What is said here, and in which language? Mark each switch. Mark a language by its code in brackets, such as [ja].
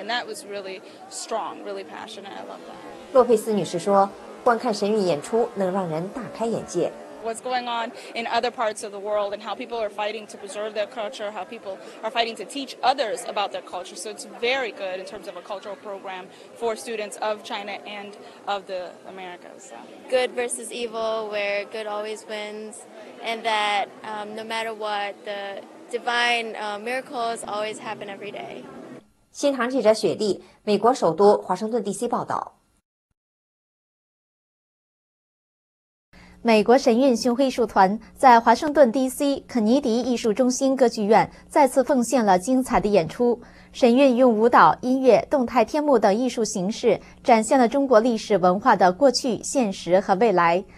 [en] And that was really strong, really passionate. I love that. [zh] 洛佩斯女士说，观看神韵演出能让人大开眼界。 [en] What's going on in other parts of the world and how people are fighting to preserve their culture, how people are fighting to teach others about their culture. So it's very good in terms of a cultural program for students of China and of the Americas. Good versus evil, where good always wins, and that no matter what, the divine miracles always happen every day. [zh] 新唐记者雪莉，美国首都华盛顿 DC 报道。美国神韵巡回艺术团在华盛顿 DC 肯尼迪艺术中心歌剧院再次奉献了精彩的演出。神韵用舞蹈、音乐、动态天幕等艺术形式展现了中国历史文化的过去、现实和未来。